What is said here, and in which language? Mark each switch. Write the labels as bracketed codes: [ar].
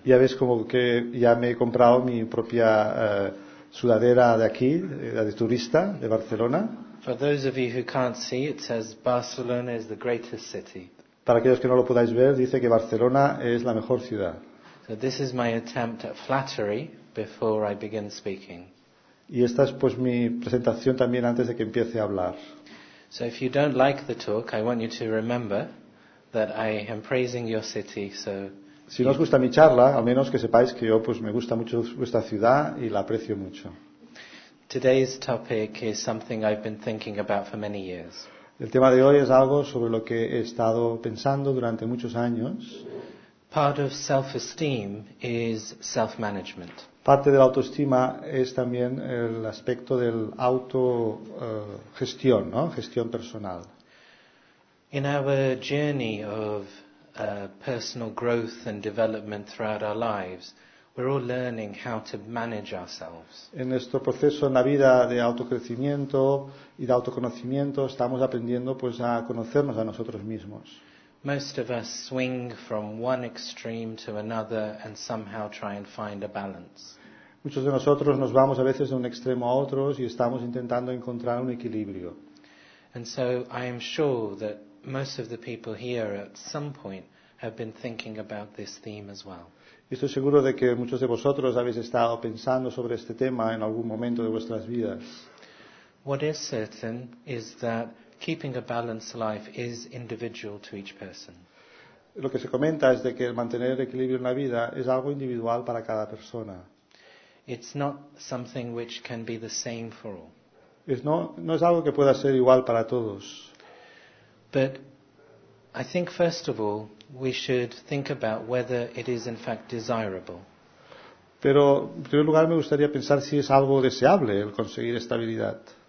[es] Ya ves como que ya me he comprado mi propia sudadera de aquí, la de turista de Barcelona. [en] For those of you who can't see, it says Barcelona is the greatest city. [es] Para aquellos que no lo podáis ver, dice que Barcelona es la mejor ciudad. [en] So this is my attempt at flattery before I begin speaking. [es] Y esta es pues mi presentación también antes de que empiece a hablar. [en] So if you don't like the talk, I want you to remember that I am praising your city, so [es] si no os gusta mi charla, al menos que sepáis que yo pues me gusta mucho vuestra ciudad y la aprecio mucho. [en] Today's topic is something I've been thinking about for many years. [es] El tema de hoy es algo sobre lo que he estado pensando durante muchos años. [en] Part of self-esteem is self-management. [es] Parte de la autoestima es también el aspecto del autogestión, ¿no? Gestión personal. [en] In our journey of personal growth and development throughout our lives, we're all learning how to manage ourselves. [es] En nuestro proceso en la vida de autocrecimiento y de autoconocimiento, estamos aprendiendo pues a conocernos a nosotros mismos. [en] Most of us swing from one extreme to another and somehow try and find a balance. [es] Muchos de nosotros nos vamos a veces de un extremo a otro y estamos intentando encontrar un equilibrio. [en] And so I am sure that most of the people here at some point have been thinking about this theme as well. [es] Estoy seguro de que muchos de vosotros habéis estado pensando sobre este tema en algún momento de vuestras vidas. [en] What is certain is that keeping a balanced life is individual to each person. [es] Lo que se comenta es de que el mantener el equilibrio en la vida es algo individual para cada persona. [en] It's not something which can be the same for all. [es] No es algo que pueda ser igual para todos. [en] But I think first of all we should think about whether it is in fact desirable. [es] Pero en primer lugar me gustaría pensar si es algo deseable el conseguir estabilidad.